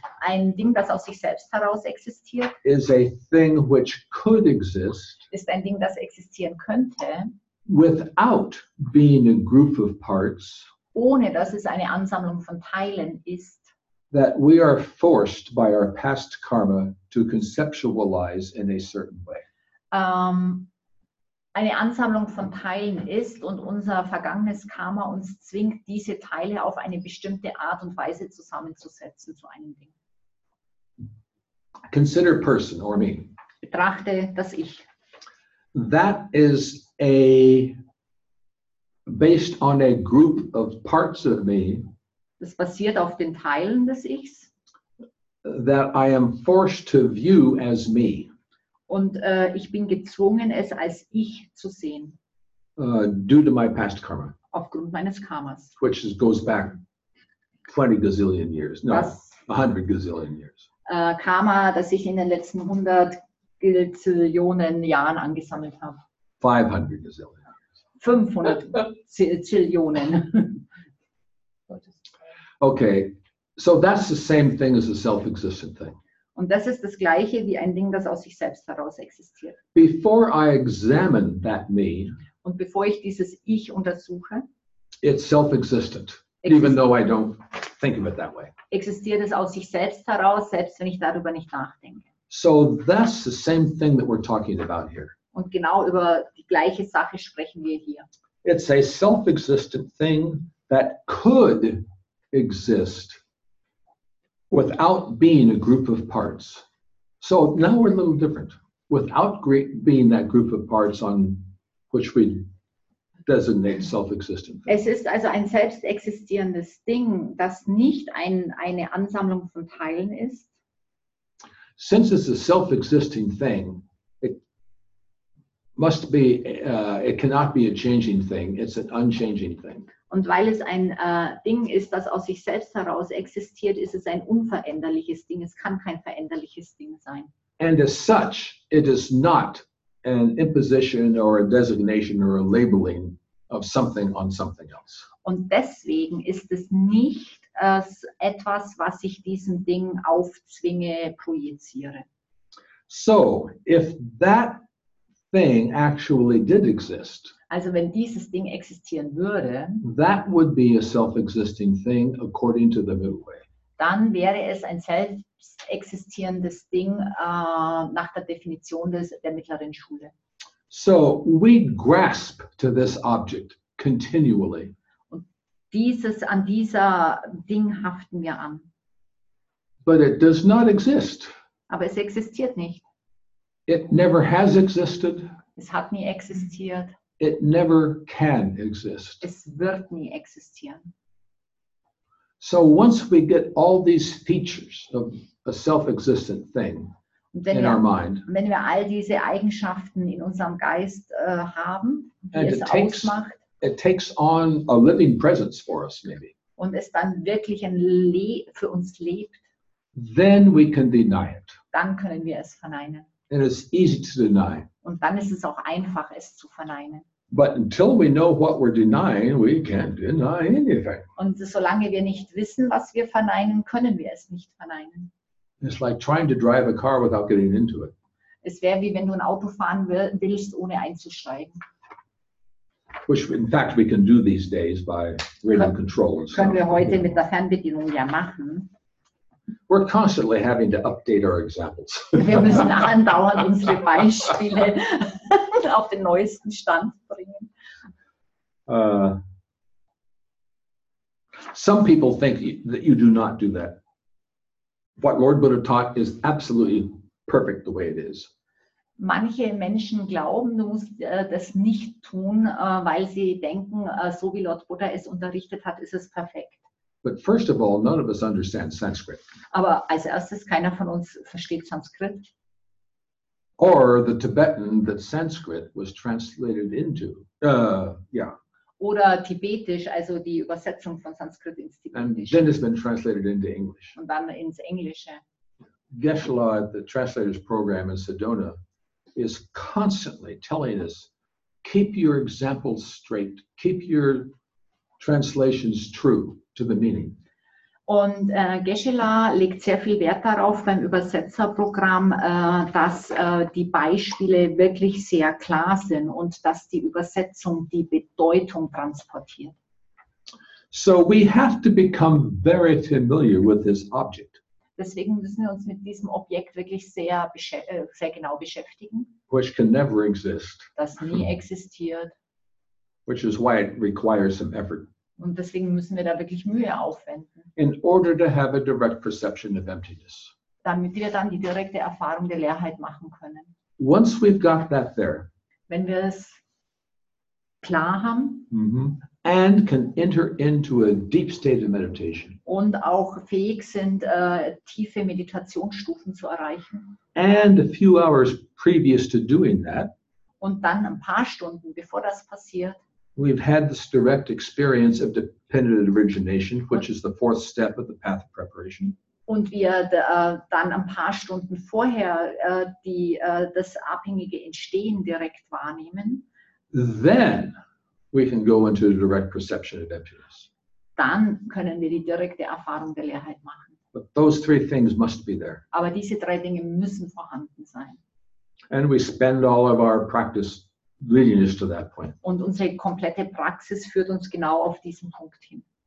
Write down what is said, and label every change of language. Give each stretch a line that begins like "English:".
German: ein Ding, das aus sich selbst heraus existiert,
English: is a thing which could exist,
German: ist ein Ding, das existieren könnte,
English: without being a group of parts,
German: ohne dass es eine Ansammlung von Teilen ist,
English: that we are forced by our past karma to conceptualize in a certain way.
German: Eine Ansammlung von Teilen ist und unser vergangenes Karma uns zwingt, diese Teile auf eine bestimmte Art und Weise zusammenzusetzen zu einem Ding.
English: Consider person or me.
German: Betrachte das Ich.
English: That is a based on a group of parts of me.
German: Das basiert auf den Teilen des Ichs.
English: That I am forced to view as me.
German: Und ich bin gezwungen, es als ich zu sehen.
English: Due to my past karma.
German: Aufgrund meines Karmas.
English: Which is, goes back 20 gazillion years. No, das, 100 gazillion years.
German: Karma, das ich in den letzten 100 gazillionen Jahren angesammelt habe.
English: 500 gazillion years.
German: 500 zillionen.
English: Okay, so that's the same thing as a self-existent thing.
German: Und das ist das Gleiche wie ein Ding, das aus sich selbst heraus existiert.
English: Before I examine that me,
German: und bevor ich dieses Ich untersuche,
English: it's self-existent, even though I don't think of it that way.
German: Existiert es aus sich selbst heraus, selbst wenn ich darüber nicht nachdenke.
English: So that's the same thing that we're talking about here.
German: Und genau über die gleiche Sache sprechen wir hier.
English: It's a self-existent thing that could exist without being a group of parts. So now we're a little different. Without being that group of parts on which we designate self-existent thing.
German: Es ist also ein selbstexistierendes Ding, das nicht eine Ansammlung von Teilen ist.
English: Since it's a self-existing thing, it must be, it cannot be a changing thing, it's an unchanging thing.
German: Und weil es ein Ding ist, das aus sich selbst heraus existiert, ist es ein unveränderliches Ding. Es kann kein veränderliches Ding sein.
English: And as such, it is not an imposition or a designation or a labeling of something on something else.
German: Und deswegen ist es nicht etwas, was ich diesem Ding aufzwinge, projiziere.
English: So, if that thing actually did exist.
German: Also wenn dieses Ding existieren würde,
English: that would be a self-existing thing according to the Midway.
German: Dann wäre es ein selbstexistierendes Ding nach der Definition der mittleren Schule.
English: So we grasp to this object continually.
German: Und dieses an dieser Ding haften wir an.
English: But it does not exist.
German: Aber es existiert nicht.
English: It never has existed.
German: Es hat nie existiert.
English: It never can exist.
German: Es wird nie existieren.
English: So once we get all these features of a self-existent thing in our mind,
German: wenn wir all diese Eigenschaften in unserem Geist haben, die es ausmacht,
English: it takes on a living presence for us, maybe.
German: Und es dann wirklich für uns lebt,
English: then we can deny it.
German: Dann können wir es verneinen.
English: And it's easy to deny.
German: Und dann ist es auch einfach, es zu verneinen.
English: But until we know what we're denying, we can't deny anything.
German: Und solange wir nicht wissen, was wir verneinen, können wir es nicht verneinen.
English: It's like trying to drive a car without getting into it.
German: Es wäre wie wenn du ein Auto fahren willst, ohne einzusteigen.
English: Which in fact we can do these days by radio controls.
German: Können wir heute mit der Fernbedienung ja machen.
English: We're constantly having to update our examples.
German: Wir müssen andauernd unsere Beispiele auf den neuesten Stand bringen.
English: Some people think that you do not do that. What Lord Buddha taught is absolutely perfect the way it is.
German: Manche Menschen glauben, du musst das nicht tun, weil sie denken, so wie Lord Buddha es unterrichtet hat, ist es perfekt.
English: But first of all, none of us understand Sanskrit.
German: Aber als erstes, keiner von uns versteht Sanskrit.
English: Or the Tibetan that Sanskrit was translated into.
German: Oder Tibetisch, also die Übersetzung von Sanskrit ins Tibetische.
English: And then it's been translated into English.
German: Und dann ins Englische.
English: Geshe-la, the translator's program in Sedona, is constantly telling us, keep your examples straight, keep your translations true to the meaning.
German: Und Geshe-la legt sehr viel Wert darauf beim Übersetzerprogramm, dass die Beispiele wirklich sehr klar sind und dass die Übersetzung die Bedeutung transportiert.
English: So we have to become very familiar with this object.
German: Deswegen müssen wir uns mit diesem Objekt wirklich sehr sehr genau beschäftigen.
English: Which can never exist.
German: Das nie existiert.
English: Which is why it requires some effort.
German: Und deswegen müssen wir da wirklich Mühe aufwenden.
English: In order to have a direct perception of emptiness.
German: Damit wir dann die direkte Erfahrung der Leerheit machen können.
English: Once we've got that there.
German: Wenn wir es klar haben. Mm-hmm.
English: And can enter into a deep state of meditation.
German: Und auch fähig sind, tiefe Meditationsstufen zu erreichen.
English: And a few hours previous to doing that.
German: Und dann ein paar Stunden, bevor das passiert.
English: We've had this direct experience of dependent origination, which is the fourth step of the path of preparation.
German: Und wir dann ein paar Stunden vorher das abhängige Entstehen direkt wahrnehmen.
English: Then we can go into a direct perception of emptiness.
German: Dann können wir die direkte Erfahrung der Leerheit machen.
English: But those three things must be there.
German: Aber diese drei Dinge müssen vorhanden sein.
English: And we spend all of our practice leading us to that point.
German: Und unsere komplette Praxis führt uns genau auf diesen Punkt hin.